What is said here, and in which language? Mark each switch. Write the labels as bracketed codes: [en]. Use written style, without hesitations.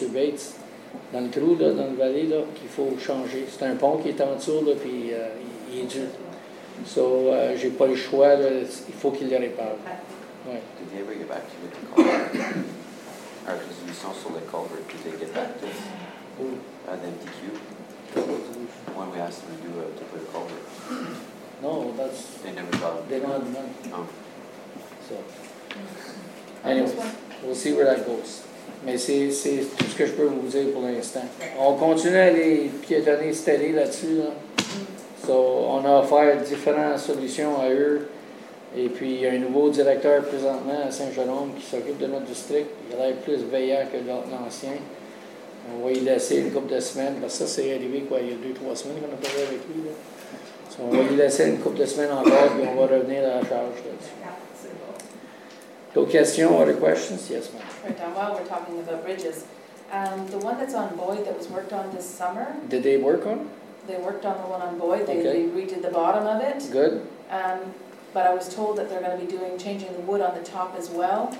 [fr] Bates dans le trou, là, dans la vallée, là, qu'il faut changer. C'est un pont qui est en dessous, là, puis il est dur. So, j'ai pas le choix, là, il faut qu'il le répare. Ouais. [en] Did they ever get back to you with the culvert? [fr] Alors, ils sont sur le culvert, [en] did they get back to us? Who? [fr] L'MTQ? [en] When we asked them to do a different culvert. No, that's... They never thought. They don't have money. No. So, anyways, we'll see where that goes. [fr] Mais c'est tout ce que je peux vous dire pour l'instant. On continue à aller piétonner steady là-dessus. Là. So, on a offert différentes solutions à eux. Et puis, il y a un nouveau directeur présentement à Saint-Jérôme qui s'occupe de notre district. Il a l'air plus veillant que l'ancien. On va y laisser une couple de semaines, parce que ça, c'est arrivé quoi, il y a 2-3 semaines qu'on a parlé avec lui. Là. So, on va y laisser une couple de semaines encore, puis on va revenir à la charge. [en] Là. [fr] D'autres questions, [en] other questions? Yes, ma'am. Right, now, while we're talking about bridges, the one that's on Boyd that was worked on this summer. Did they work on? They worked on the one on Boyd. They redid the bottom of it. Good. But I was told that they're going to be changing the wood on the top as well.